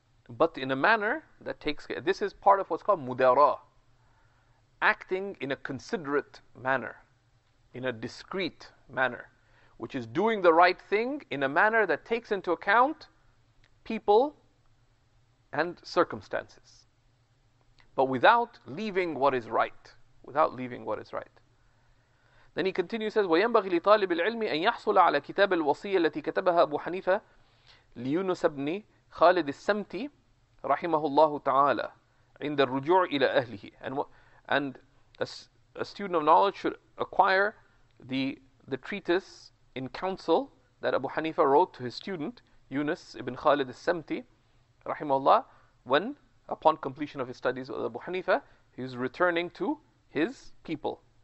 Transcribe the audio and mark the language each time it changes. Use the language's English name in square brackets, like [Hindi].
[English] But in a manner that takes care. This is part of what's called mudara, acting in a considerate manner, in a discreet manner. Which is doing the right thing in a manner that takes into account people and circumstances. But without leaving what is right. Without leaving what is right. Then he continues, says, [Arabic] وَيَنْبَغِ لِطَالِبِ الْعِلْمِ أَنْ يَحْصُلَ عَلَى كِتَابِ الْوَصِيَّةِ الَّتِي كَتَبَهَا أَبُو حَنِيفَةَ لِيُونُسَ بْنِ خَالِدِ السَّمْتِ رَحِمَهُ اللَّهُ تَعَالَى عِنْدَ الرُّجُوعِ إِلَى أَهْلِهِ. [English] And a student of knowledge should acquire the treatise in counsel that Abu Hanifa wrote to his student, Yunus ibn Khalid al-Samti, rahimahullah, when, upon completion of his studies with Abu Hanifa, he is returning to his people.